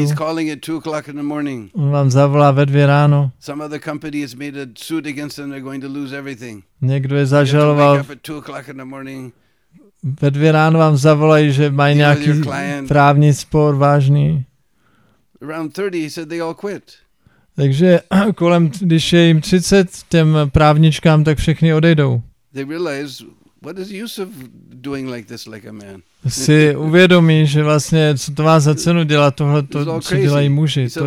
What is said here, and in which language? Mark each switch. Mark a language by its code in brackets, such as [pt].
[en] He's calling at 2 o'clock in the morning. [cs] On vám zavolá ve 2 ráno. [en] Some other company has made a suit against them. They're going to lose everything. [cs] Někdo je zažaloval. [en] At 2 o'clock in the morning. [cs] Ve 2 ráno vám zavolají, že mají nějaký právní spor vážný. [en] Around 30, he said they all quit. [cs] Takže kolem, když je jim 30, těm právničkám, tak všichni odejdou. [en] They realize, what is the use of doing like this, like a man? [cs] Si uvědomí, že vlastně, co to má za cenu dělat tohle, to, co dělají muži.